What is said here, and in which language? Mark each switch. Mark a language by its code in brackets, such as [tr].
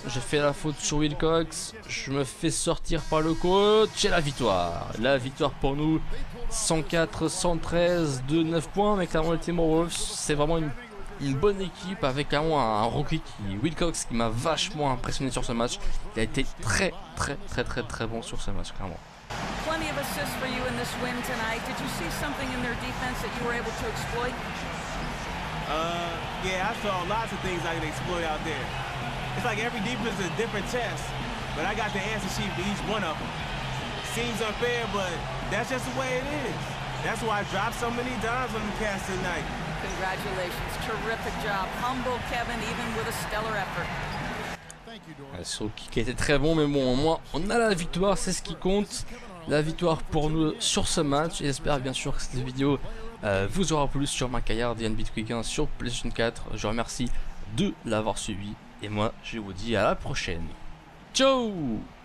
[fr] J'ai fait la faute sur Wilcox. Je me fais sortir par le coach. Et la victoire. La victoire pour nous. 104-113 de 9 points. Mais clairement le Timberwolves, c'est vraiment une bonne équipe avec clairement un rookie qui Wilcox qui m'a vachement impressionné sur ce match. Il a été très très très très très bon sur ce match clairement. [en] Plenty of assists for you in this win tonight. Did you see something in their defense that you were able to exploit? Yeah, I saw lots of things I could exploit out there. It's like every defense is a different test, but I got the answer sheet for each one of them. Seems unfair, but that's just the way it is. That's why I dropped so many dimes on the cast tonight. Congratulations, terrific job. Humble Kevin, even with a stellar effort. [fr] Ce kick était très bon, mais bon, au moins, on a la victoire, c'est ce qui compte. La victoire pour nous sur ce match. J'espère bien sûr que cette vidéo vous aura plu sur ma carrière de NBA 2K15 sur PlayStation 4. Je vous remercie de l'avoir suivi. Et moi, je vous dis à la prochaine. Ciao!